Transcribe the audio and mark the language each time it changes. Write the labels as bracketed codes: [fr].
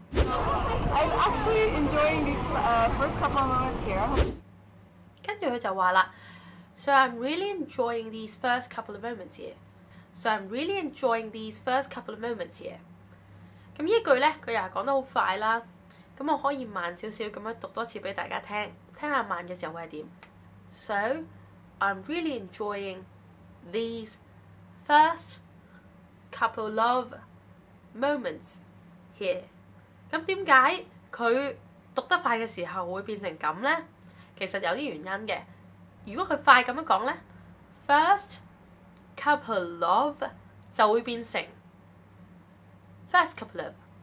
[en] I'm actually enjoying these first couple of moments here. [yue] 跟跟住佢就話啦 [en] ，So I'm really enjoying these first couple of moments here. So I'm really enjoying these first couple of moments here. [yue] 咁呢一句咧，佢又係講得好快啦。咁我可以慢少少咁樣讀多次俾大家聽，聽下慢嘅時候會係點。 [en] So I'm really enjoying these first couple of moments here. [yue] 咁點解佢讀得快嘅時候會變成咁咧？其實有啲原因嘅。如果佢快咁樣講咧 ， [en] first couple of [yue] 就會變成 first couple of。